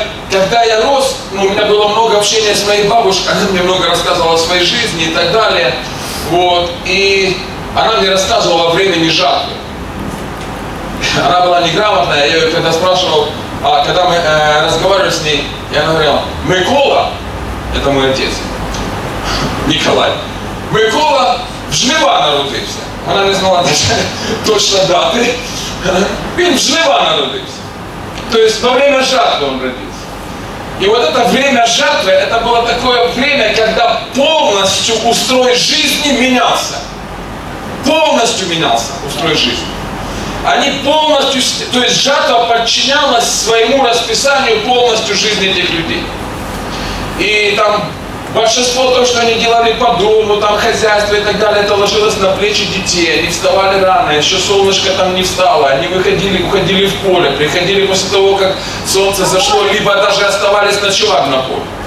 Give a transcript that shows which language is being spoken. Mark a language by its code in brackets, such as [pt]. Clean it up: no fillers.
[ru] Когда я рос, у меня было много общения с моей бабушкой, она мне много рассказывала о своей жизни и так далее. Вот, и она мне рассказывала о времени жатвы. Она была неграмотная, я ее когда спрашивал, когда мы разговаривали с ней, я говорил, Микола, это мой отец, Николай. [uk] Микола в жнива народився. Вона не знала точно дати. Він в жнива народився. Тобто, [ru] во время жатви [uk] він родився. І от це время жатви, це було таке время, коли повністю устрой жизни мінявся. Повністю мінявся устрой жизни. Они повністю, [ru] то есть жатва подчинялась [uk] своєму розписанню повністю жизни тих людей. [ru] І там большинство того, что они делали по дому, там хозяйство и так далее, это ложилось на плечи детей, они вставали рано, еще солнышко там не встало, они выходили, уходили в поле, приходили после того, как солнце зашло, либо даже оставались ночевать на поле.